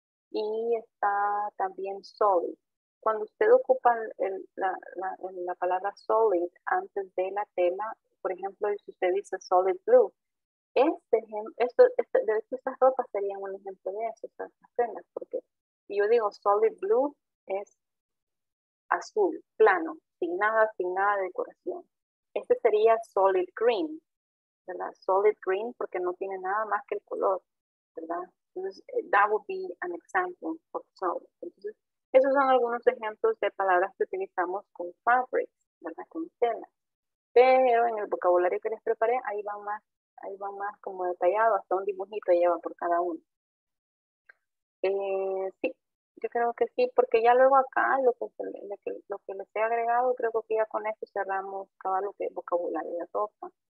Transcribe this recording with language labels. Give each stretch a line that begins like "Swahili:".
Spanish: Y está también solid. Cuando usted ocupa la palabra solid antes de la tela, por ejemplo, si usted dice solid blue, estas ropas serían un ejemplo de eso, estas telas, porque yo digo solid blue es azul, plano, sin nada de decoración. Este sería solid green, ¿verdad? Solid green porque no tiene nada más que el color, ¿verdad? Entonces,
English: that would be an example of solid.
Spanish: Entonces, esos son algunos ejemplos de palabras que utilizamos con fabrics, ¿verdad? Con tela. Pero en el vocabulario que les preparé, ahí va más como detallado, hasta un dibujito lleva por cada uno. Sí, yo creo que sí, porque ya luego acá lo que les he agregado, creo que ya con esto cerramos cada lo que es vocabulario de ropa.